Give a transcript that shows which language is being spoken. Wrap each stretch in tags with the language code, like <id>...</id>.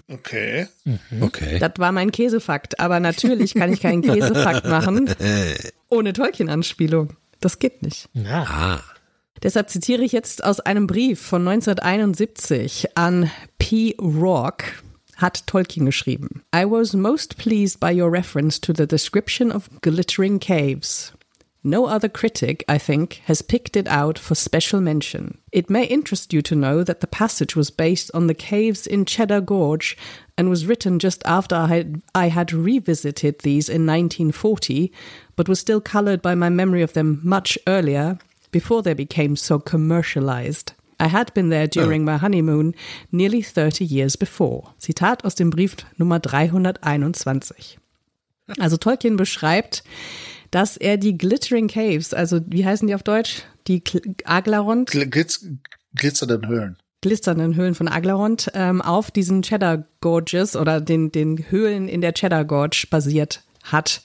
<de>Okay. Mhm. Okay. Das war mein Käsefakt, aber natürlich kann ich keinen Käsefakt machen ohne Tolkien-Anspielung. Das geht nicht. Ja. Deshalb zitiere ich jetzt aus einem Brief von 1971 an P. Rourke, hat Tolkien geschrieben.</de> <en>I was most pleased by your reference to the description of glittering caves. No other critic, I think, has picked it out for special mention. It may interest you to know that the passage was based on the caves in Cheddar Gorge and was written just after I had revisited these in 1940, but was still colored by my memory of them much earlier, before they became so commercialized. I had been there during my honeymoon nearly 30 years before.</en> <de>Zitat aus dem Brief Nummer 321. Also Tolkien beschreibt, dass er die Glittering Caves, also wie heißen die auf Deutsch? Die Aglarond? Glitzernden Höhlen. Glitzernden Höhlen von Aglarond auf diesen Cheddar Gorges oder den Höhlen in der Cheddar Gorge basiert hat.</de>